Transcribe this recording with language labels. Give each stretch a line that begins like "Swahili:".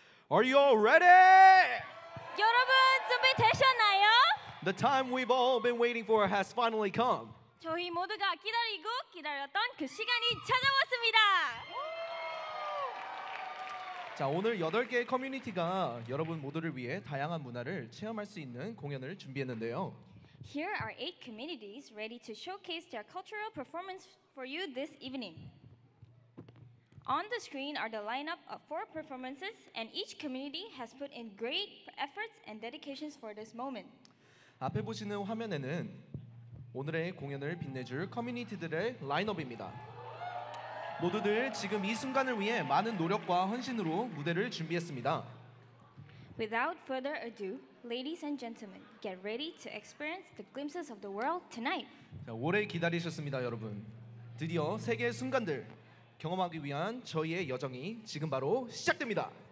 English: Are you all ready?
Korean: 여러분 준비 되셨나요?
English: The time we've all been waiting for has finally come.
Korean: 저희 모두가 기다리고 기다렸던 그 시간이 찾아왔습니다. 자, 오늘 8개의 커뮤니티가 여러분 모두를 위해 다양한 문화를 체험할 수 있는 공연을 준비했는데요.
English: Here are 8 communities ready to showcase their cultural performance for you this evening. On the screen are the lineup of 4 performances, and each community has put in great efforts and dedications for this moment.
Korean: 앞에 보시는 화면에는 오늘의 공연을 빛내줄 커뮤니티들의 라인업입니다. 모두들 지금 이 순간을 위해 많은 노력과 헌신으로 무대를 준비했습니다.
English: Without further ado, ladies and gentlemen, get ready to experience the glimpses of the world tonight.
Korean: 자, 오래 기다리셨습니다, 여러분. 드디어 세계의 순간들 경험하기 위한 저희의 여정이 지금 바로 시작됩니다.